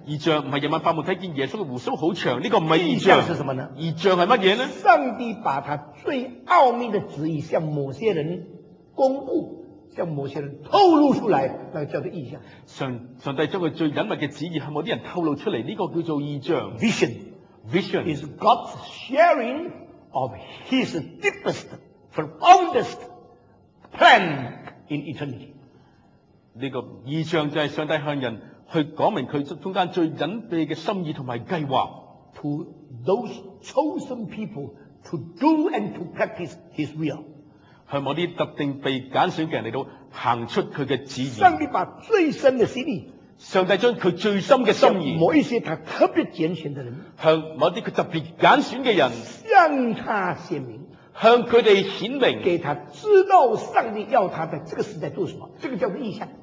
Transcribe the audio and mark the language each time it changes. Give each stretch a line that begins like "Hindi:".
Chinese: 意象不是夜晚发梦看见耶稣的胡须很长，这个不是意象。意象是什么呢？意象是什么呢？上帝把他最奥秘的旨意向某些人公布，向某些人透露出来，那个叫做意象。上帝将他最隐密的旨意向某些人透露出来，这个叫做意象。
English: Vision is God's sharing of His deepest, profoundest plan in eternity。
Chinese: 这个意象就是上帝向人去讲明他中间最隐秘的心意和计划。
English: To those chosen people to do and to practice His will。
Chinese: 向某些特定被拣选的人来到行出他的旨意。上帝把最深的心意，上帝将他最深的心意，某一些他特别拣选的人，向某些他特别拣选的人，向他显明，向他们显明，给他知道上帝要他在这个时代做什么，这个叫做意象。